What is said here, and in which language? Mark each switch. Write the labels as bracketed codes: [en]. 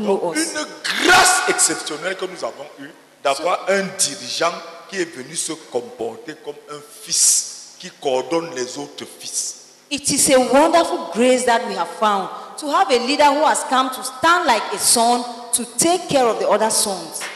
[fr] Donc, [en] know us. [fr] Une grâce exceptionnelle que nous avons eue d'avoir un dirigeant qui est venu se comporter comme un fils qui coordonne les autres fils. [en] It is a wonderful grace that we have found to have a leader who has come to stand like a son to take care of the other sons.